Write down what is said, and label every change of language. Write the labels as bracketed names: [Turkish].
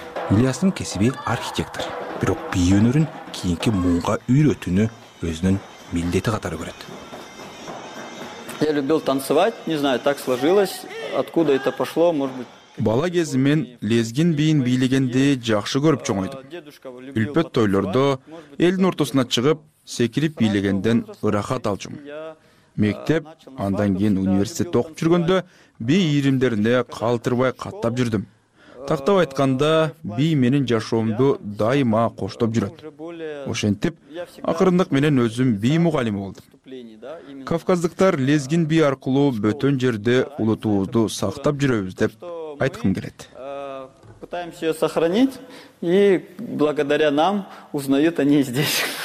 [Kyrgyz] Ильястын кесиби архитектор, бирок бий өнөрүн кийинки муунга үйрөтүүнү өзүнүн милдети катары көрөт. [Russian] Я любил танцевать, не знаю, так сложилось, откуда это пошло, может быть. [Kyrgyz] Бала кезимен лезгин бийин бийлегенди жакшы көрүп чоңойдум. Үлпөт тойлордо элдин ортосуна чыгып, секирип бийлегенден ырахат алчум. Мектеп, андан кийин университетте окуп жүргөндө бий ийримдерине калтырбай каттап жүрдүм. Тактап айтканда, бий менин жашоомду дайыма коштоп жүрөт. Ошентип, акырындык менен өзүм бий мугалими болдум. Кавказдыктар лезгин би аркылуу бөтөн жерде улутубузду сактап жүрөбүз деп айткым келет. [Russian] Пытаемся ее сохранить, и благодаря нам узнают они здесь.